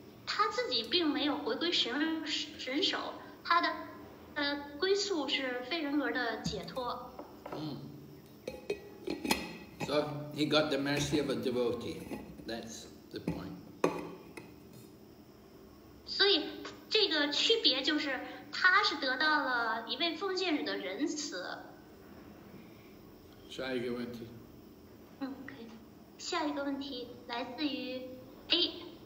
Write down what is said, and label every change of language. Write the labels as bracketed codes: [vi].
[zh] 他自己并没有回归神手，他的归宿是非人格的解脱。 [en] So he got the mercy of a devotee. That's the point. [zh] 所以这个区别就是，他是得到了一位奉献者的仁慈。下一个问题。可以。下一个问题来自于 A。